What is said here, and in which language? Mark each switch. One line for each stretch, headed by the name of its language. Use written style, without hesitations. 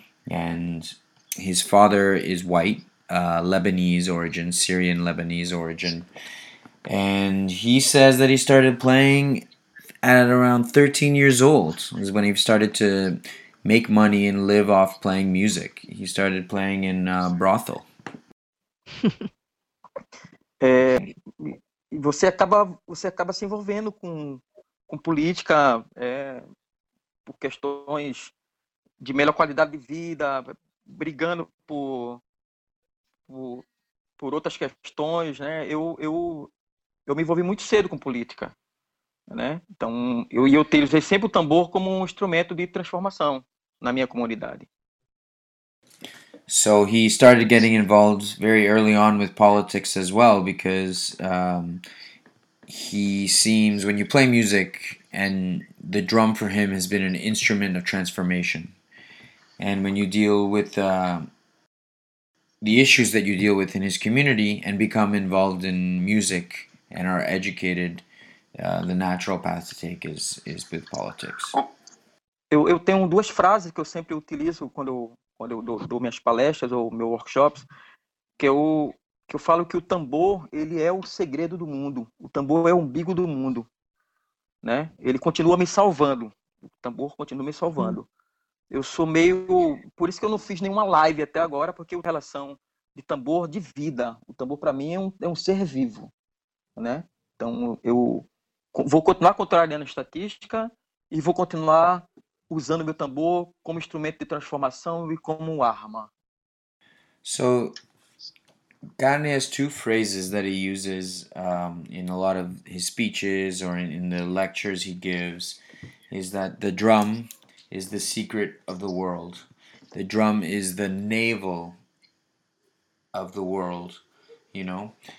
English: And his father is white, Lebanese origin, Syrian-Lebanese origin. And he says that he started playing at around 13 years old is when he started to make money and live off playing music. He started playing in a brothel.
Portuguese: você acaba se envolvendo com política, por questões de melhor qualidade de vida, brigando por outras questões, né? Eu me envolvi muito cedo com política, né? Então, eu utilizei sempre o tambor como um instrumento de transformação na minha comunidade.
English: So he started getting involved very early on with politics as well, because he seems, when you play music, and the drum for him has been an instrument of transformation. And when you deal with the issues that you deal with in his community and become involved in music and are educated, the natural path to take is with politics.
Portuguese: Eu tenho duas frases que eu sempre utilizo quando eu dou minhas palestras ou meus workshops, que eu falo que o tambor, ele é o segredo do mundo. O tambor é o umbigo do mundo, né? Ele continua me salvando. O tambor continua me salvando. Eu sou meio... Por isso que eu não fiz nenhuma live até agora, porque eu tenho relação de tambor de vida. O tambor, para mim, é um ser vivo, né? Então, eu vou continuar contrariando a estatística e vou continuar usando meu tambor como instrumento de transformação e como arma.
English: So, Garnizé has two phrases that he uses in a lot of his speeches or in the lectures he gives, is that the drum is the secret of the world. The drum is the navel of the world, you know?